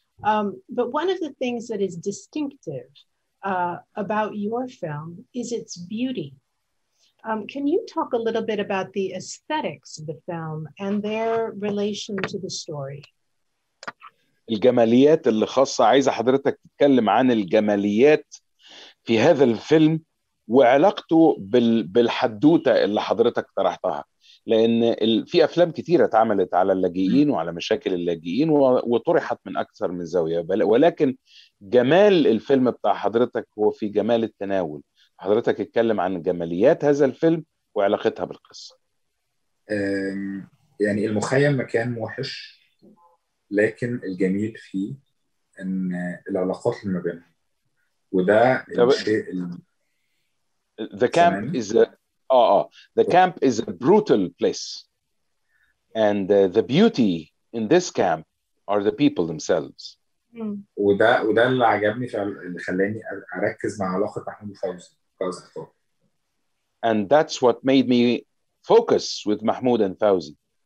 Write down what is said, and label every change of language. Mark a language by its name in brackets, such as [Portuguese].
[English] But one of the things that is distinctive about your film is its beauty. Can you talk a little bit about the aesthetics of the film and their relation to the story? [Arabic] الجماليات اللي خاصة، عايز حضرتك تتكلم عن الجماليات في هذا الفيلم وعلاقته بالحدوتة اللي حضرتك طرحتها، لأن في أفلام كتيرة اتعملت على اللاجئين وعلى مشاكل اللاجئين وطرحت من أكثر من زاوية، ولكن جمال الفيلم بتاع حضرتك هو في جمال التناول. حضرتك اتكلم عن جماليات هذا الفيلم وعلاقتها بالقصة. يعني المخيم مكان موحش، لكن الجميل فيه إن العلاقات اللي ما بينهم، وده الشيء [English] The camp is the camp is a brutal place, and the beauty in this camp are the people themselves. [Arabic] وده اللي عجبني اللي خلاني أركز مع علاقة محمود فوزي. [English] And that's what made me focus with Mahmoud and Fawzi.